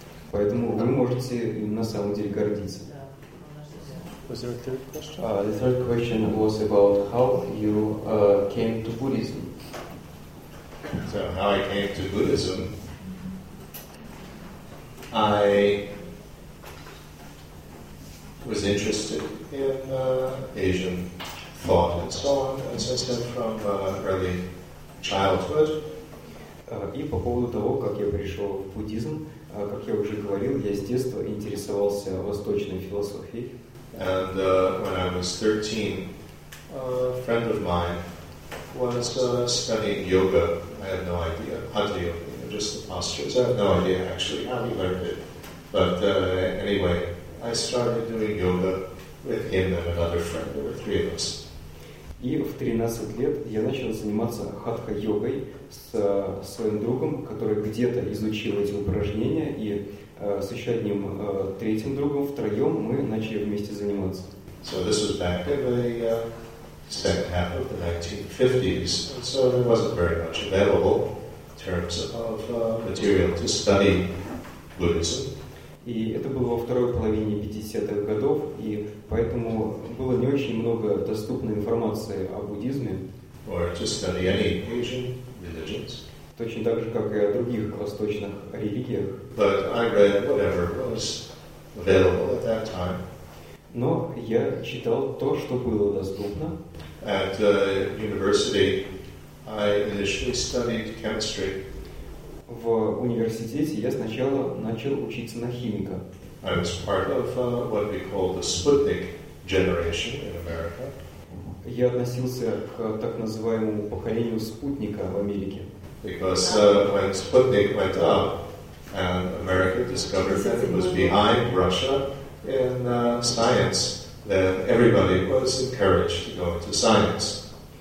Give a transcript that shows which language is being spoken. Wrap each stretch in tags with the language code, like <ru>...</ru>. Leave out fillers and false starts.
<ru>поэтому вы можете им на самом деле гордиться.</ru> <en>Was there a third question? The third question was about how you came to Buddhism. So how I came to Buddhism? I was interested in Asian thought and so on, as I said, from early childhood.</en> <ru>И по поводу того, как я пришел в буддизм, как я уже говорил, я с детства интересовался восточной философией.</ru> <en>And when I was 13, a friend of mine was studying yoga. I had no idea, hatha yoga, you know, just the postures. I have no idea actually how he learned it. But anyway, I started doing yoga with him and another friend. There were three of us.</en> <ru>И в 13 лет я начал заниматься хатха-йогой с своим другом, который где-то изучил эти упражнения, и с еще одним третьим другом втроем мы начали вместе заниматься.</ru> <en>So this was back in the second half of the 1950s, so there wasn't very much available in terms of material to study Buddhism.</en> <ru>И это было во второй половине 50-х годов, и поэтому было не очень много доступной информации о буддизме.</ru> <en>Or to study any Asian religions.</en> <ru>Точно так же, как и о других восточных религиях.</ru> <en>But I read whatever was available at that time.</en> <ru>Но я читал то, что было доступно.</ru> <en>At university, I initially studied chemistry.</en> <ru>В университете я сначала начал учиться на химика.</ru> <en>I was part of what we call the Sputnik generation in America.</en> <ru>Я относился к так называемому поколению спутника в Америке.</ru> <en>Because when Sputnik went up, and America discovered that it was behind Russia in science, then everybody was encouraged to go into science.</en>